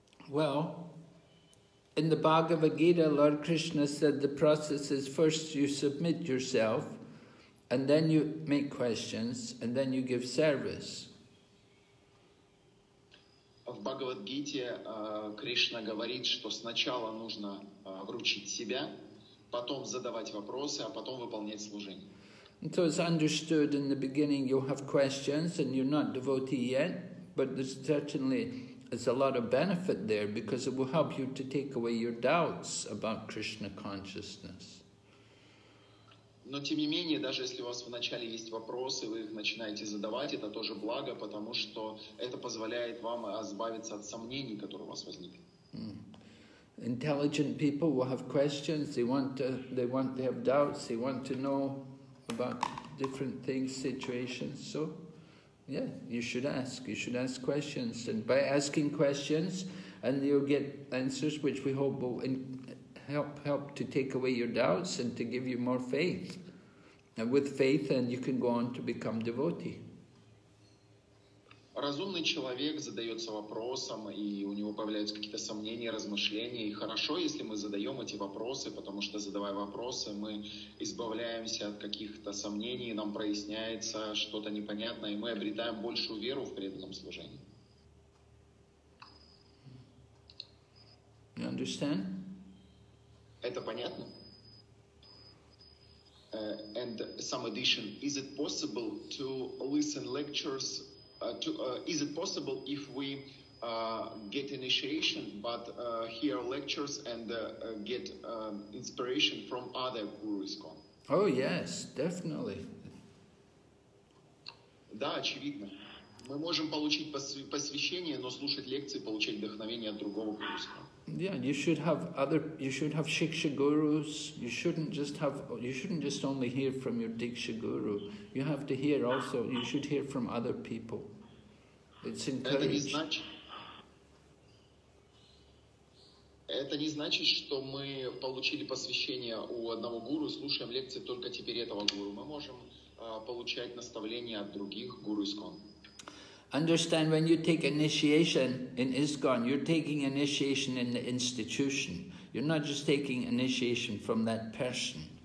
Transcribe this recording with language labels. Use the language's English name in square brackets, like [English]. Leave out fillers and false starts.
[English] Well, in the Bhagavad Gita, Lord Krishna said the process is first you submit yourself, and then you make questions, and then you give service. [Russian] В Бхагавад Гите Кришна говорит, что сначала нужно вручить себя, потом задавать вопросы, а потом выполнять служение. [English] So it's understood in the beginning you have questions and you're not devotee yet, But there's certainly there's a lot of benefit there because it will help you to take away your doubts about Krishna consciousness. [Russian] Но тем не менее, даже если у вас вначале есть вопросы, вы их начинаете задавать, это тоже благо, потому что это позволяет вам избавиться от сомнений, которые у вас возникли. [English] Intelligent people will have questions, they have doubts, they want to know about different things, situations. So, yeah, you should ask questions. And by asking questions, and you'll get answers which we hope will help to take away your doubts and to give you more faith. And with faith, then you can go on to become devotee. [Russian] Разумный человек задается вопросом, и у него появляются какие-то сомнения, размышления. И хорошо, если мы задаем эти вопросы, потому что, задавая вопросы, мы избавляемся от каких-то сомнений, нам проясняется что-то непонятное, и мы обретаем большую веру в преданном служении. [English] You understand? [Russian] Это понятно? [English] And some addition. Is it possible to listen lectures? Is it possible if we get initiation, but hear lectures and get inspiration from other gurus? Oh yes, definitely. [Russian] Да, очевидно. Мы можем получить посвящение, но слушать лекции, получать вдохновение от другого гуру. [English] Yeah, you should have shiksha gurus. You shouldn't just only hear from your diksha guru. You have to hear also. You should hear from other people. It's encouraged. [Russian] Это не значит, что мы получили посвящение у одного гуру, слушаем лекции только теперь этого гуру. Мы можем получать наставления от других гуру ИСКОН. [English] Understand, when you take initiation in ISKCON, you're taking initiation in the institution. You're not just taking initiation from that person.